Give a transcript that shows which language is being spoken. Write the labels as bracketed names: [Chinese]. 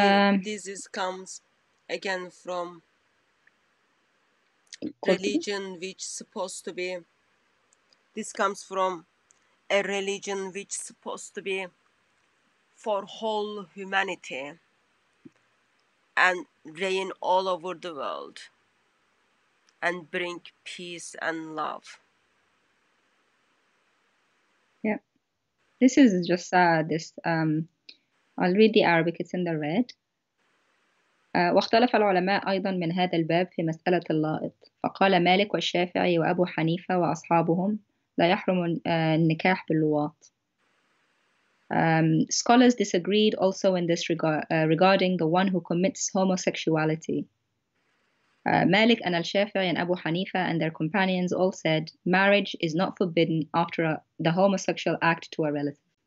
[English] This is comes again from religion which supposed to be, this comes from a religion which supposed to be for whole humanity and reign all over the world and bring peace and love. Yeah, this is just this I'll read the Arabic, it's in the red. [Arabic] واختلف العلماء أيضا من هذا الباب في مسألة اللائط. فقال مالك والشافعي وأبو حنيفة وأصحابهم لا يحرم النكاح باللواط. [English] Scholars disagreed also in this regarding the one who commits homosexuality. Malik and al-Shafi'i and Abu Hanifa and their companions all said marriage is not forbidden after the homosexual act to a relative.